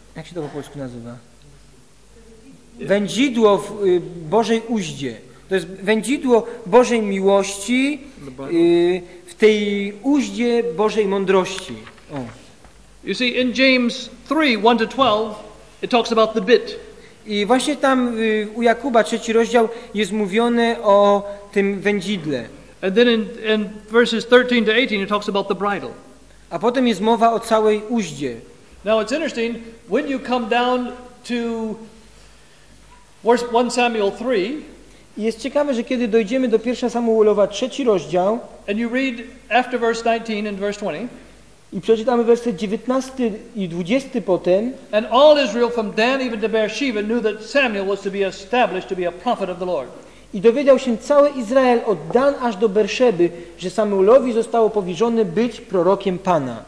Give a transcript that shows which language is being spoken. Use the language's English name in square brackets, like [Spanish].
[Polish] Jak się to po polsku nazywa? Wędzidło w Bożej uździe. To jest wędzidło Bożej miłości w tej uździe Bożej mądrości. O. [English] You see, in James 3:1-12, it talks about the bit. [Polish] I właśnie tam u Jakuba, trzeci rozdział, jest mówione o tym wędzidle. [English] And then in verses 13-18, it talks about the bridle. [Polish] A potem jest mowa o całej uździe. [English] Now it's interesting, when you come down to 1 Samuel 3, [Polish] jest ciekawe, że kiedy dojdziemy do 1 Samuelowa, trzeci rozdział, [English] and you read after verse 19 and verse 20, [Polish] I przeczytamy werset 19 i 20 potem. [English] And all Israel from Dan even to Beersheba knew that Samuel was to be established to be a prophet of the Lord. [Polish] I dowiedział się cały Izrael od Dan aż do Beerszeby, że Samuelowi zostało powierzone być prorokiem Pana.